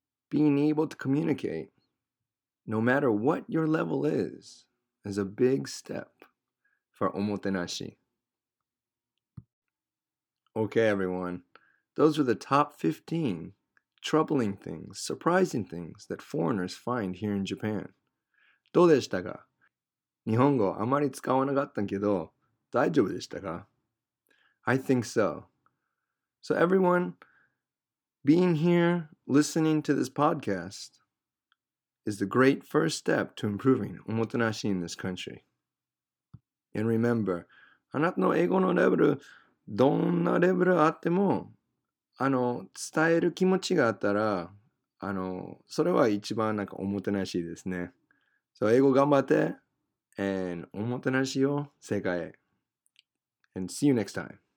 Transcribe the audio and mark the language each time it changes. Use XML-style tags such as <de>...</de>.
<en>Being able to communicate, no matter what your level is a big step for omotenashi. Okay, everyone. Those are the top 15 troubling things, surprising things that foreigners find here in Japan.</en> <ja>どうでしたか? 日本語あまり使わなかったけど、大丈夫でしたか?</ja> <en>I think so. So everyone, being here, listening to this podcast, is the great first step to improving omotenashi in this country. And remember,</en> <ja>あなたの英語のレベル、どんなレベルあっても、伝える気持ちがあったら、それは一番なんかおもてなしですね。</ja> <en>So</en> <ja>英語頑張って、</ja> <en>and</en> <ja>おもてなしを世界へ。</ja> <en>And see you next time.</en>